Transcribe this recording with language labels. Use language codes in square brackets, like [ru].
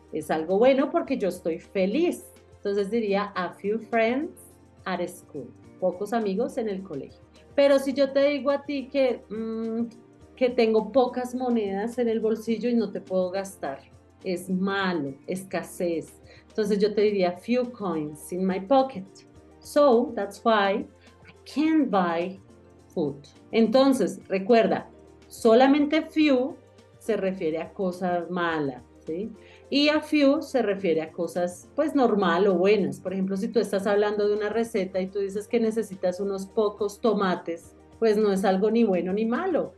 [es] Es algo bueno porque yo estoy feliz. Entonces diría, [en] a few friends at school. [es] Pocos amigos en el colegio. Pero si yo te digo a ti que tengo pocas monedas en el bolsillo y no te puedo gastar, es malo, escasez. Entonces yo te diría [en] few coins in my pocket. So that's why I can't buy food. [es] Entonces, recuerda, solamente few se refiere a cosas malas, ¿sí? Y a few se refiere a cosas, pues, normal o buenas. Por ejemplo, si tú estás hablando de una receta y tú dices que necesitas unos pocos tomates, pues no es algo ni bueno ni malo.